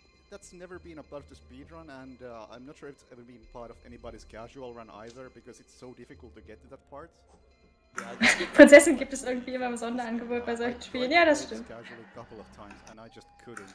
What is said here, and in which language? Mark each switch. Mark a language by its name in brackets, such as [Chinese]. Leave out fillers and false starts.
[German] That's never been a part of the speedrun, and I'm not sure if it's ever been part of anybody's casual run either, because it's so difficult to get to that part. Prinzessin gibt es irgendwie immer im Sonderangebot bei solchen Spielen. Ja, das stimmt. [English] Casually a couple of times, and I just couldn't.